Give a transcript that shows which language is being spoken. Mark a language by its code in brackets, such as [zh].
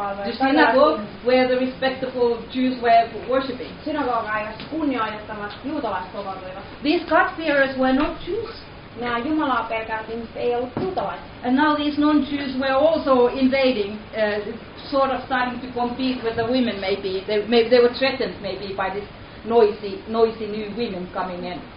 [en] The synagogue where the respectable Jews were worshipping. [fi] Synagoga, jossa kunnioitettavat juutalaiset kokoontuivat. [en] These God-fearers were not Jews. [fi] Nämä Jumalaa pelkäävät ihmiset ei ollut juutalaiset. [en] And now these non-Jews were also invading, sort of starting to compete with the women maybe. They were threatened maybe by this noisy new women coming in.